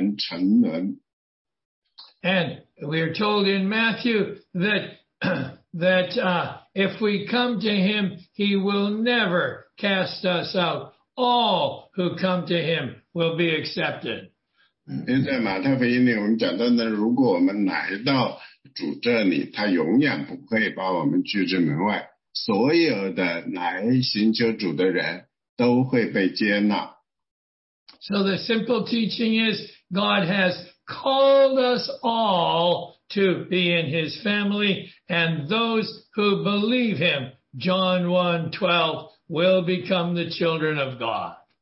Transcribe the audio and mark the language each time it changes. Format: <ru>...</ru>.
<en>And we are told in Matthew that if we come to him, he will never cast us out. All who come to him will be accepted.</en> <zh>因为在马太福音里我们讲到那如果我们来到主这里他永远不会把我们拒之门外所有的来寻求主的人都会被接纳。</zh> <en>So the simple teaching is God has called us all to be in his family, and those who believe him, John 1:12, will become the children of God.</en>